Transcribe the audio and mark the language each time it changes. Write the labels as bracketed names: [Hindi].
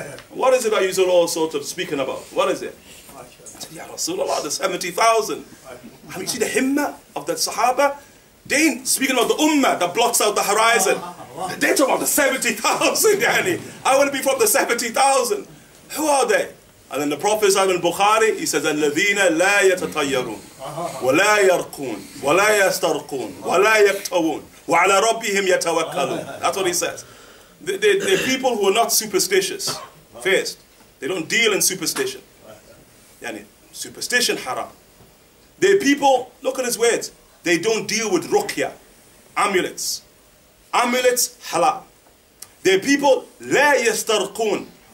[English] What is it that you're all sort of speaking about? What is it? Ya Rasulullah, the 70,000. I mean, see the himmah of the Sahaba? They ain't speaking about the ummah that blocks out the horizon. They're talking about the 70,000, yani. I want to be from the 70,000. Who are they? And then the Prophet ﷺ in Bukhari, he says, [Arabic] الَّذِينَ لَا يَتَطَيَّرُونَ وَلَا يَرْقُونَ وَلَا يَسْتَرْقُونَ وَلَا يَكْتَوُونَ وَعَلَى رَبِّهِمْ يَتَوَكَّلُونَ. [English] That's what he says. They're people who are not superstitious. First, they don't deal in superstition. Yani, superstition haram. They're people, look at his words, they don't deal with ruqya, amulets. Amulets halal. They're people, [Arabic] لَا يَسْتَرْقُونَ.